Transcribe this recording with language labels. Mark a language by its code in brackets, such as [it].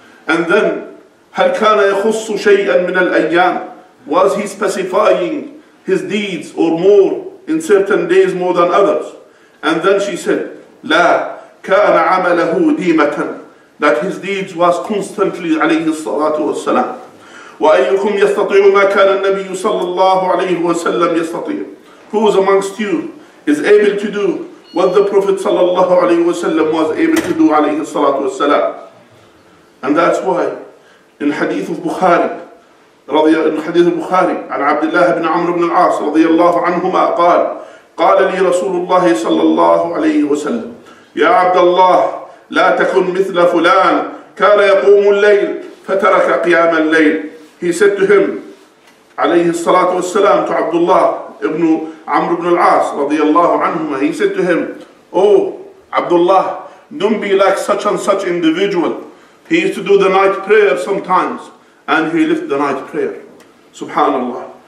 [en] And then, [ar] هَلْ كَانَ يَخُصُّ شَيْئًا مِنَ الْأَيَّامِ, [en] was he specifying his deeds or more in certain days more than others? And then she said, [ar] لَا كَانَ عَمَلَهُ دِيمَةً, [en] that his deeds was constantly [ar] عليه الصلاة والسلام. وَأَيُّكُمْ يَسْتَطِيعُ مَا كَانَ النَّبِيُّ صَلَّى اللَّهُ عَلَيْهُ وَسَلَّمْ يَسْتَطِيعُ, [en] who's amongst you is able to do [ar] what the Prophet صلى الله عليه وسلم was able to do عليه الصلاة والسلام. [en] And that's why in hadith of Bukhari, [ar] عن عبد الله بن عمرو بن العاص رضي الله عنهما قال, قال لي رسول الله صلى الله عليه وسلم, يا عبد الله لا تكن مثل فلان كان يقوم الليل فترك قيام الليل. [en] He said to him, [ar] عليه الصلاة والسلام, [en] to عبد الله ابن عمرو بن العاص رضي الله عنهما, he said to him, oh عبد الله, don't be like such and such individual. He used to do the night prayer sometimes, and he left the night prayer. SubhanAllah.